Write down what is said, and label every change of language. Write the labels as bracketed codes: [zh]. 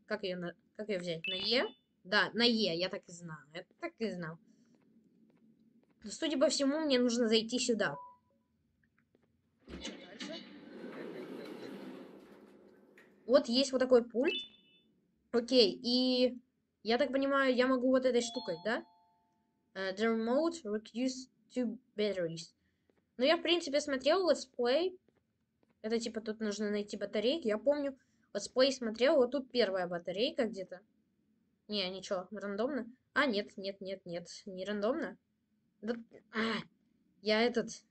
[ru] Как ее взять? На Е? Да, на Е, я так и знал. Но, судя по всему, мне нужно зайти сюда. Что дальше? Вот есть вот такой пульт. Окей, и я так понимаю, я могу вот этой штукой, да? [en] The remote requires two batteries. [ru] Ну, я, в принципе, смотрел летсплей. Это, типа, тут нужно найти батарейки. Я помню, летсплей смотрел. Вот тут первая батарейка где-то. Не, ничего, рандомно. А, нет. Не рандомно. Да... А, я этот...